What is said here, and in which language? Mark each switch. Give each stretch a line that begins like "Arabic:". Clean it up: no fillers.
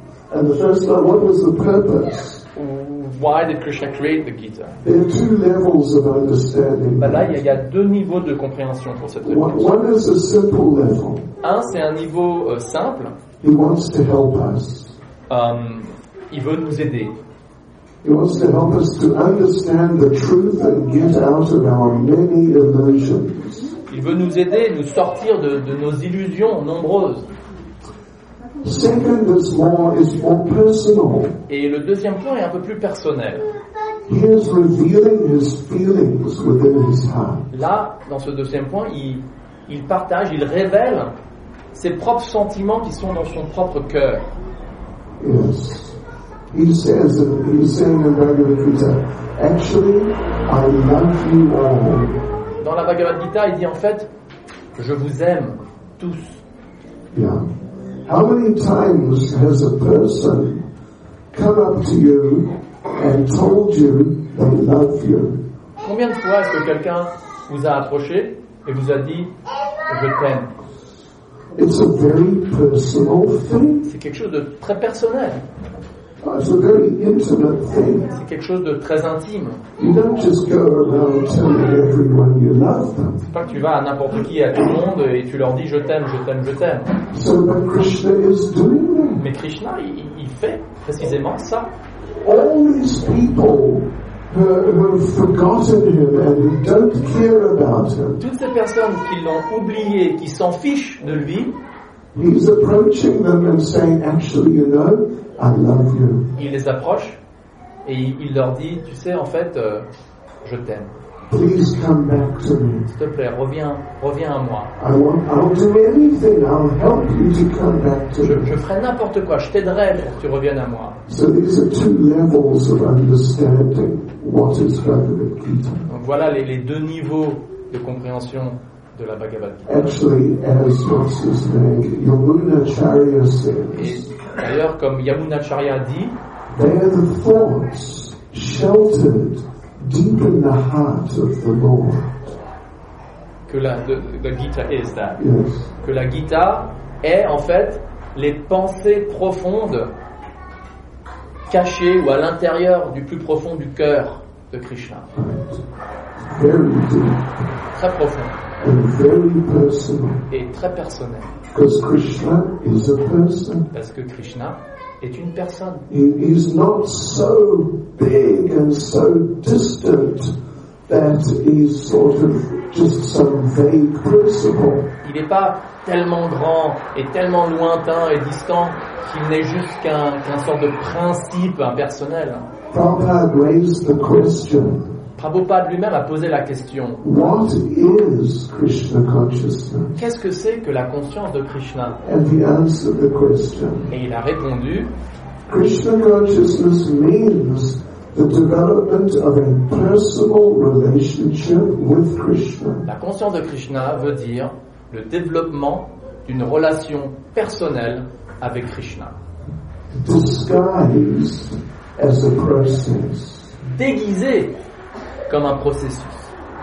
English: And the first one, what was the purpose? Why did Krishna create the Gita? There are two levels of understanding.
French: Bah là, il y a deux niveaux de compréhension pour cette réponse.
English: One is a simple level.
French: Un, c'est un niveau simple.
English: He wants to help us.
French: Il veut nous aider.
English: He wants to help us to understand the truth and get out of our many illusions.
French: Il veut nous aider, nous sortir de nos illusions nombreuses.
English: Second, this law is more personal.
French: Et le deuxième point est un peu plus personnel.
English: He is revealing his feelings within his heart.
French: Là, dans ce deuxième point, il partage, il révèle ses propres sentiments qui sont dans son propre cœur.
English: Yes. He says, he's saying in Bhagavad Gita, actually, I love you all.
French: Dans la Bhagavad Gita, il dit en fait, je vous aime tous.
English: Yeah. How many times has a person come up to you and told you they love you?
French: Combien de fois est-ce que quelqu'un vous a approché et vous a dit je t'aime?
English: It's a very personal thing.
French: C'est quelque chose de très personnel.
English: It's a very intimate thing.
French: C'est quelque chose de très intime.
English: You don't just go around telling everyone you love them.
French: C'est pas que tu vas à n'importe qui, à tout le monde, et tu leur dis je t'aime, je t'aime, je t'aime.
English: So what Krishna is doing.
French: Mais Krishna, il fait précisément ça.
English: All these people who have forgotten him and who don't care about him.
French: Toutes ces personnes qui l'ont oublié, qui s'en fichent de lui.
English: He's approaching them and saying, actually, you know, I love you.
French: Il les approche et il leur dit, tu sais, en fait, je t'aime.
English: Please come back to me.
French: S'il te plaît, reviens à moi. Je ferai n'importe quoi, je t'aiderai pour que tu reviennes à moi.
English: So these are two levels of understanding what is Bhagavad Gita.
French: Donc voilà les deux niveaux de compréhension de la Bhagavad Gita.
English: Actually, as what's his name, Yamunacharya says.
French: D'ailleurs, comme Yamunacharya dit,
English: they are the thoughts sheltered deep in the heart of the Lord.
French: Que la Gita
English: is that. Yes.
French: Que la Gita est en fait les pensées profondes cachées ou à l'intérieur du plus profond du cœur de Krishna.
English: Right. Very deep.
French: Très profond.
English: And very personal.
French: Et très personnel.
English: Because Krishna is a person.
French: Parce que Krishna est une personne.
English: He is not so big and so distant that he's sort of just some vague principle.
French: Il n'est pas tellement grand et tellement lointain et distant qu'il n'est juste qu'un sort de principe impersonnel.
English: Prabhupada raised the question.
French: Prabhupada lui-même a posé la question.
English: What is Krishna consciousness?
French: Qu'est-ce que c'est que la conscience de Krishna?
English: And he answered the question.
French: Et il a répondu.
English: Krishna consciousness means the development of a personal relationship with Krishna.
French: La conscience de Krishna veut dire le développement d'une relation personnelle avec Krishna.
English: Disguised as a process.
French: Déguisé comme un processus.